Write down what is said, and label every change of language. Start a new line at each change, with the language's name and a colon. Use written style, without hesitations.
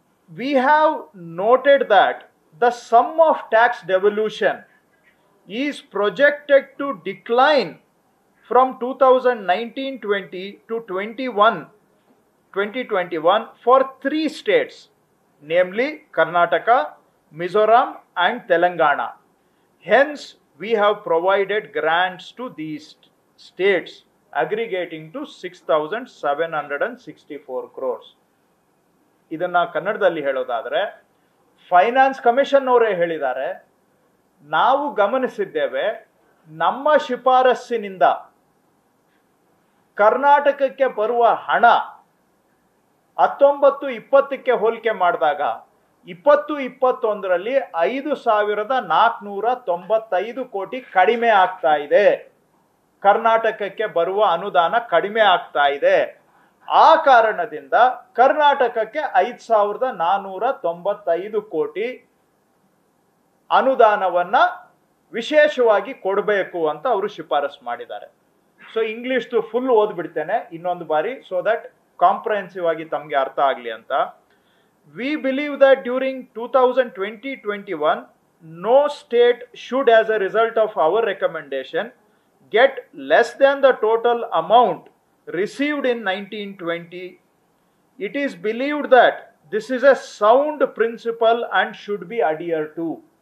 English: We have noted that the sum of tax devolution is projected to decline from 2019-20 to 2021 for 3 states, namely Karnataka, Mizoram and Telangana. Hence we have provided grants to these states aggregating to 6,764 crore.
Kannada: ಇದನ್ನು ಕನ್ನಡದಲ್ಲಿ ಹೇಳೋದಾದರೆ finance commission ಅವರೇ ಹೇಳಿದ್ದಾರೆ, ನಾವು ಗಮನಿಸಿದ್ದೇವೆ ನಮ್ಮ ಶಿಫಾರಸ್ಸಿನಿಂದ ಕರ್ನಾಟಕಕ್ಕೆ ಬರುವ ಹಣ 19-20 ಹೋಲಿಕೆ ಮಾಡಿದಾಗ 2020-21 5,495 crore ಕಡಿಮೆ ಆಗ್ತಾ ಇದೆ. ಕರ್ನಾಟಕಕ್ಕೆ ಬರುವ ಅನುದಾನ ಕಡಿಮೆ ಆಗ್ತಾ ಇದೆ. ಆ ಕಾರಣದಿಂದ ಕರ್ನಾಟಕಕ್ಕೆ 5,495 crore ಅನುದಾನವನ್ನು ವಿಶೇಷವಾಗಿ ಕೊಡಬೇಕು ಅಂತ ಅವರು ಶಿಫಾರಸು ಮಾಡಿದ್ದಾರೆ. ಸೊ ಇಂಗ್ಲಿಷ್ದು ಫುಲ್ ಓದ್ಬಿಡ್ತೇನೆ ಇನ್ನೊಂದು ಬಾರಿ,
English: so that
Kannada: ಕಾಂಪ್ರಹೆನ್ಸಿವ್ ಆಗಿ ತಮಗೆ ಅರ್ಥ ಆಗಲಿ ಅಂತ.
English: We believe that during 2020-21, no state should, as a result of our recommendation, get less than the total amount received in 1920. It is believed that this is a sound principle and should be adhered to.